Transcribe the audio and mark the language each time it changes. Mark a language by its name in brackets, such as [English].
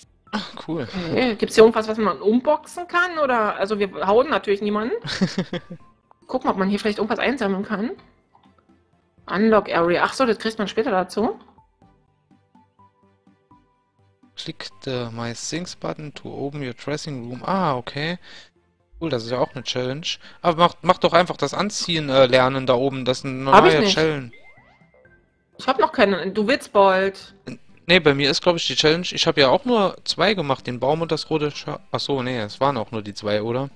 [German] Ach, cool. Okay. Gibt's hier irgendwas, was man unboxen kann? Oder? Also wir hauen natürlich niemanden. Gucken, ob man hier vielleicht irgendwas einsammeln kann. Unlock Area. Ach so, das kriegt man später dazu. [English] Click the My Things Button to open your dressing room. [German] Ah, okay. Cool, das ist ja auch eine Challenge. Aber mach doch einfach das Anziehen lernen da oben. Das ist eine neue Challenge. Ich hab noch keinen. Du willst bald. Nee, bei mir ist, glaube ich, die Challenge. Ich habe ja auch nur zwei gemacht. Den Baum und das rote Achso, nee, es waren auch nur die zwei, oder?